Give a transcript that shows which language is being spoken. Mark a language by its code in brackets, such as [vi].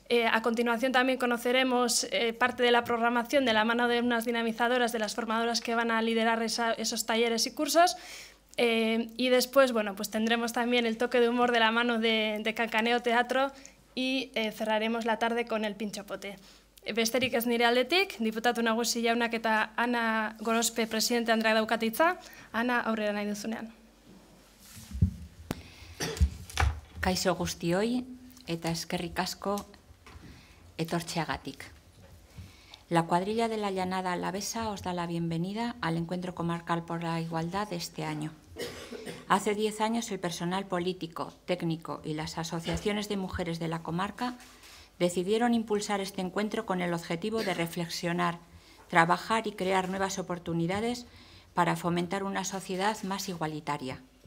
[es] A continuación también conoceremos parte de la programación de la mano de unas dinamizadoras, de las formadoras que van a liderar esos talleres y cursos. Y después, bueno, pues tendremos también el toque de humor de la mano de Cancaneo Teatro y cerraremos la tarde con el pinchopote. [eu] Besterik ez nire aldetik, diputatu nagusi jaunak eta Ana Gorospe presidente Andrea daukatitza. Ana, aurrera nahi duzunean. Kaixo guztioi eta eskerrik asko etortzeagatik. [es] La cuadrilla de la llanada alavesa os da la bienvenida al Encuentro Comarcal por la Igualdad de este año. Hace 10 años el personal político, técnico y las asociaciones de mujeres de la comarca decidieron impulsar este encuentro con el objetivo de reflexionar, trabajar y crear nuevas oportunidades para fomentar una sociedad más igualitaria.